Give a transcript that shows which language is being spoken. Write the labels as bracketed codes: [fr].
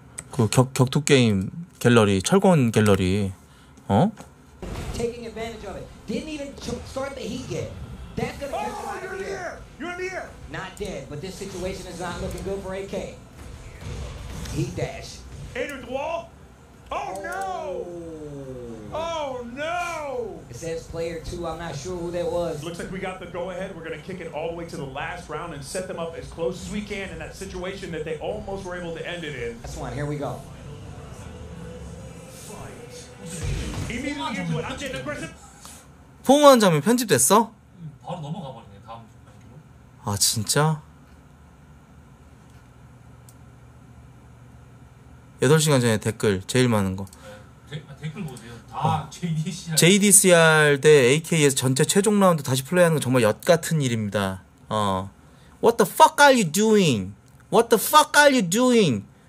[ko] 그 격투 게임 갤러리, 철권 갤러리. 어? [en] Taking advantage of it. Didn't even start the heat yet. That's gonna get you out of here. You're in the air. Not dead, but this situation is not looking good for AK. Heat dash. Hater the wall. Oh no. Oh no. It says player two. I'm not sure who that was. Looks like we got the go-ahead. We're going to kick it all the way to the last round and set them up as close as we can in that situation that they almost were able to end it in. That's one. Here we go. Fight. [ko] 포옹한 장면 편집됐어? 바로 넘어가 버리네. 다음. 아, 진짜? 8시간 전에 댓글 제일 많은 거. 댓글 보세요. 다 JDCR. JDCR 대 AK에서 전체 최종 라운드 다시 플레이하는 건 정말 엿 같은 일입니다. [en] What the fuck are you doing? What the fuck are you doing?